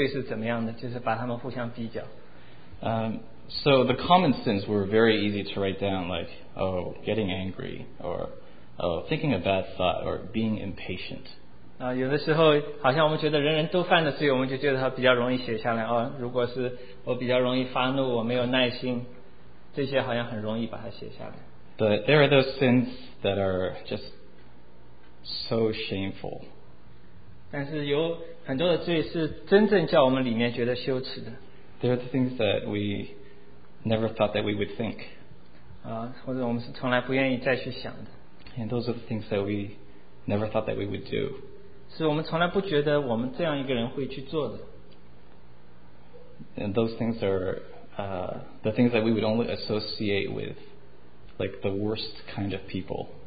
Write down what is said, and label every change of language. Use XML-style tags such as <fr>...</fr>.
<zh>我们经常在对于我们来说，如果要把罪分类好像很容易，我们觉得说这个罪是最不好的，那个罪是怎么样的，就是把它们互相比较。</zh> <en>So the common sins were very easy to write down, like, oh, getting angry, or oh, thinking a bad thought, or being impatient.</en> <zh>有的时候好像我们觉得人人都犯的罪，我们就觉得它比较容易写下来。哦，如果是我比较容易发怒，我没有耐心，这些好像很容易把它写下来。</zh> <en>But there are those sins that are just so shameful.</en> <zh>但是有很多的罪是真正叫我们里面觉得羞耻的。</zh> <en>There are the things that we never thought that we would think.</en> <zh>或者我们是从来不愿意再去想的。</zh> <en>And those are the things that we never thought that we would do.</en> <zh>是我们从来不觉得我们这样一个人会去做的。</zh> <en>And those things are the things that we would only associate with like the worst kind of people.</en>